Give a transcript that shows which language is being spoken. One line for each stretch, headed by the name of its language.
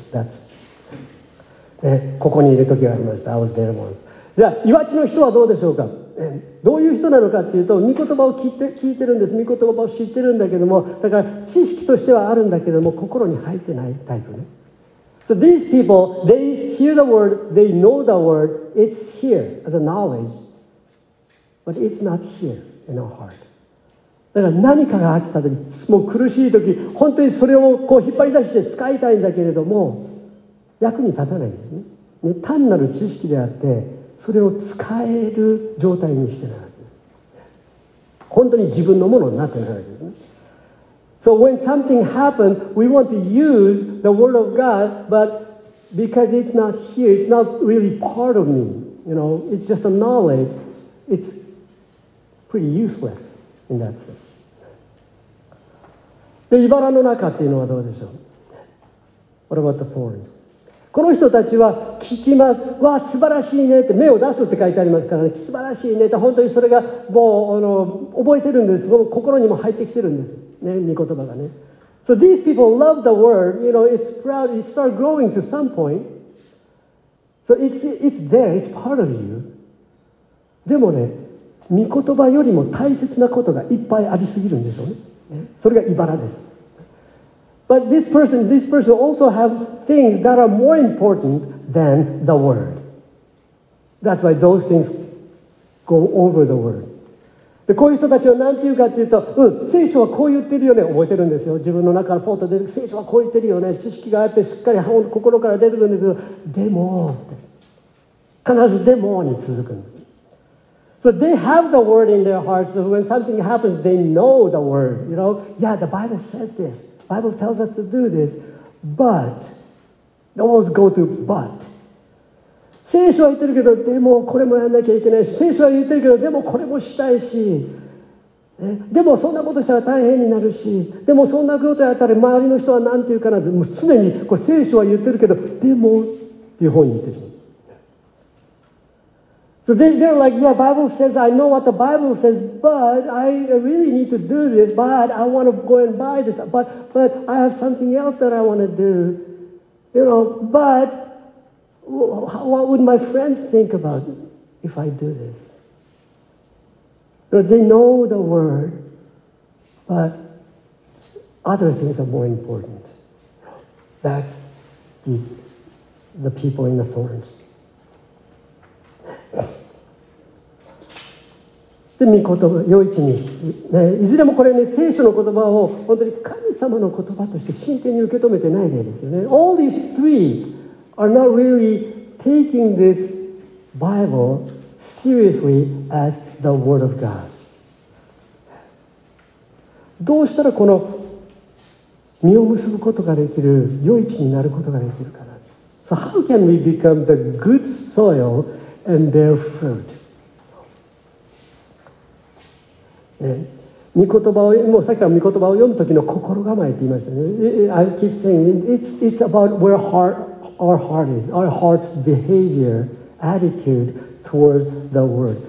Japanese: That's... ね、ここにいる時がありました。
English: I was there once.
Japanese: じゃあ、岩地の人はどうでしょうか、ね、どういう人なのかっていうと、御言葉を聞いてるんです。御言葉を知ってるんだけども、だから知識としてはあるんだけども、心に入ってないタイプね。
English: So these people, they hear the word, they know the word, it's here as a knowledge, but it's not here in our heart.
Japanese: だから何かがあった時、もう苦しい時、本当にそれをこう引っ張り出して使いたいんだけれども、役に立たないんですね。ね、単なる知識であって、それを使える状態にしてないわけです。本当に自分のものになってないわけですね。
English: So when something happens, we want to use the word of God, but because it's not here, it's not really part of me. You know, it's just a knowledge. It's pretty useless. In that sense.
Japanese: で、茨の中っていうのはどうでしょう。
English: What about the thorns?
Japanese: この人たちは聞きます。わあ素晴らしいねって、芽を出すって書いてありますからね。素晴らしいねって、本当にそれがもう覚えてるんです。心にも入ってきてるんです、ね、御言葉がね。
English: So these people love the word, you know, it's proud, it starts growing to some point. So it's there, it's part of you.
Japanese: でもね、御言葉よりも大切なことがいっぱいありすぎるんでしょうね。それが茨です。
English: But this person also have things that are more important than the word. That's why those things go over the word.
Japanese: で、こういう人たちは何て言うかっていうと、うん、聖書はこう言ってるよね、覚えてるんですよ。自分の中のポートで、聖書はこう言ってるよね、知識があってしっかり心から出てるんだけど、でも、って必ずでもに続くんです。
English: So they have the word in their hearts. So when something happens, they know the word. You know, yeah, the Bible says this. Bible tells us to do this. But, always go to but.
Japanese: 聖書は言ってるけど、でもこれもやんなきゃいけないし、聖書は言ってるけど、でもこれもしたいし、でもそんなことしたら大変になるし、でもそんなことやったら周りの人はなんて言うかな、もう常にこう聖書は言ってるけど、でもっていう方に言ってしまう。
English: So they're like, yeah, Bible says, I know what the Bible says, but I really need to do this, but I want to go and buy this, but I have something else that I want to do, you know, but what would my friends think about if I do this? You know, they know the word, but other things are more important. That's the people in the thorns.
Japanese: で御言葉よいちに、ね、いずれもこれね聖書の言葉を本当に神様の言葉として真剣に受け止めてない例ですよね。
English: All these three are not really taking this Bible seriously as the word of God.
Japanese: どうしたらこの実を結ぶことができるよいちになることができるかな。
English: So how can we become the good soil and bear fruit?
Japanese: ね、御言葉をもうさっきから御言葉を読む時の心構えって言いましたね。
English: I keep saying it's about where our heart is, our heart's behavior, attitude towards the word.